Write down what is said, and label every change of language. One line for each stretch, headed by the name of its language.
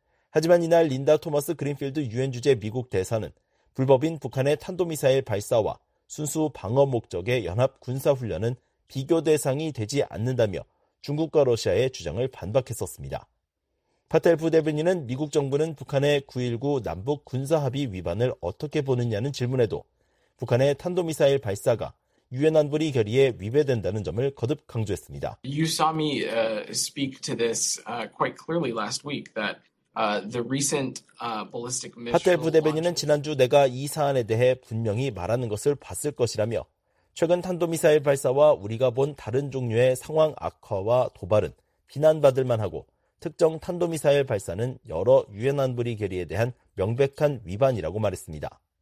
Korean: 하지만 이날 린다 토마스 그린필드 유엔 주재 미국 대사는 불법인 북한의 탄도미사일 발사와 순수 방어 목적의 연합 군사훈련은 비교 대상이 되지 않는다며 중국과 러시아의 주장을 반박했었습니다. 파텔 부대변인은 미국 정부는 북한의 9.19 남북 군사합의 위반을 어떻게 보느냐는 질문에도 북한의 탄도미사일 발사가 유엔 안보리 결의에 위배된다는 점을 거듭 강조했습니다.
English: You saw me speak to this quite clearly last week that the recent ballistic missile.
Korean: 파텔 부대변인은 지난주 내가 이 사안에 대해 분명히 말하는 것을 봤을 것이라며 최근 탄도미사일 발사와 우리가 본 다른 종류의 상황 악화와 도발은 비난받을 만하고 특정 탄도미사일 발사는 여러 유엔 안보리 결의에 대한 명백한 위반이라고 말했습니다.